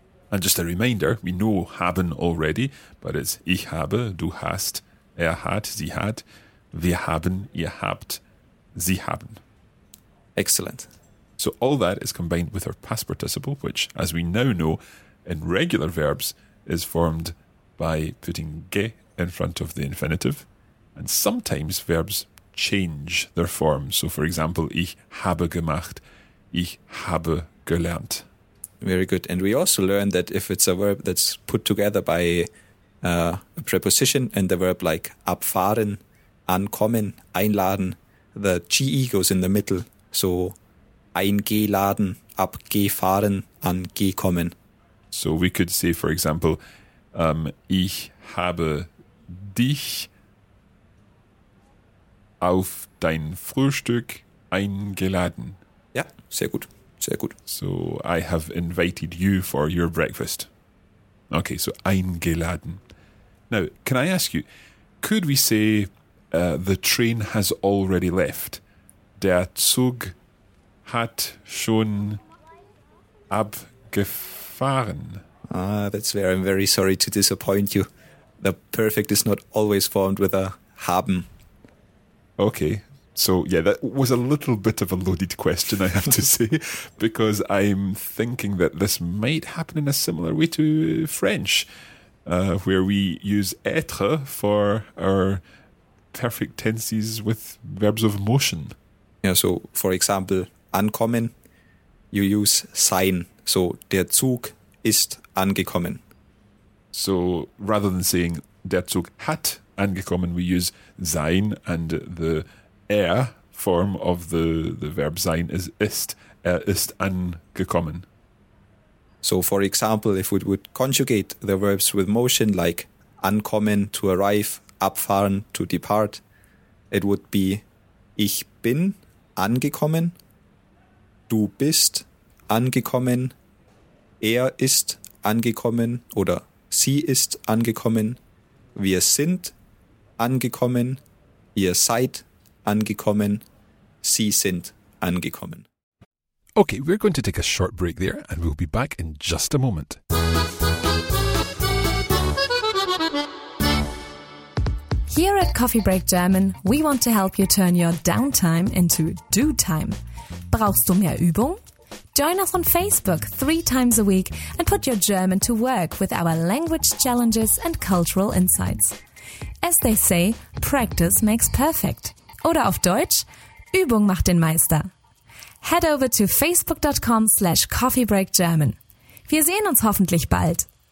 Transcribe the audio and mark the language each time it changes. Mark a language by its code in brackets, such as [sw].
[en] And just a reminder, we know haben already, but it's [de] ich habe, du hast, er hat, sie hat, wir haben, ihr habt, sie haben. [en] Excellent. So all that is combined with our past participle, which, as we now know, in regular verbs, is formed by putting ge in front of the infinitive. And sometimes verbs change their form. So, for example, [de] ich habe gemacht, ich habe gelernt. [en] Very good. And we also learned that if it's a verb that's put together by a preposition and the verb like abfahren, ankommen, einladen, the GE goes in the middle. [de] So eingeladen, abgefahren, angekommen. [en] So we could say, for example, [de] ich habe dich auf dein Frühstück eingeladen. [en] Ja, sehr gut. Sehr gut. So I have invited you for your breakfast. Okay, so eingeladen. Now, can I ask you, could we say the train has already left? [de] Der Zug hat schon abgefahren. [en] Ah, that's where I'm very sorry to disappoint you. The perfect is not always formed with a haben. Okay. So, yeah, that was a little bit of a loaded question, I have to say, because I'm thinking that this might happen in a similar way to French, where we use être for our perfect tenses with verbs of motion. Yeah, so, for example, ankommen, you use sein. [de] So, der Zug ist angekommen. [en] So, rather than saying [de] der Zug hat angekommen, [en] we use sein and the form of the verb sein is ist. [de] Er ist angekommen. [en] So, for example, if we would conjugate the verbs with motion like ankommen, to arrive, abfahren, to depart, it would be [de] ich bin angekommen, du bist angekommen, er ist angekommen oder sie ist angekommen, wir sind angekommen, ihr seid angekommen, sie sind angekommen. [en] Okay, we're going to take a short break there and we'll be back in just a moment. Here at Coffee Break German, we want to help you turn your downtime into do time. [de] Brauchst du mehr Übung? [en] Join us on Facebook 3 times a week and put your German to work with our language challenges and cultural insights. As they say, practice makes perfect. [de] Oder auf Deutsch, Übung macht den Meister. [en] Head over to facebook.com/coffeebreakgerman. [de] Wir sehen uns hoffentlich bald.